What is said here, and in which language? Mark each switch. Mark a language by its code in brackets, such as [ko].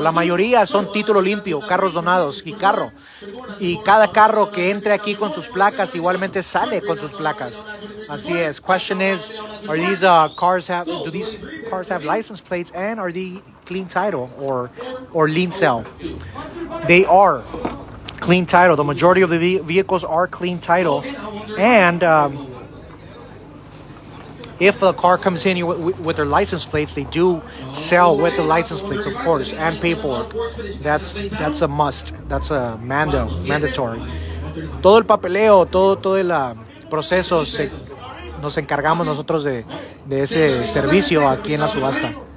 [es] La mayoría son título limpio, carros donados y carro. Y cada carro que entre aquí con sus placas igualmente sale con sus placas. Así es. [en] Question is, are these cars have, do these cars have license plates and are they clean title or lien sale? They are clean title. The majority of the vehicles are clean title. And if a car comes in with their license plates, they do sell with the license plates, of course, and paperwork. That's a must. That's a mandatory. [es] Todo el papeleo, todo el proceso, nos encargamos nosotros de ese servicio aquí en la subasta.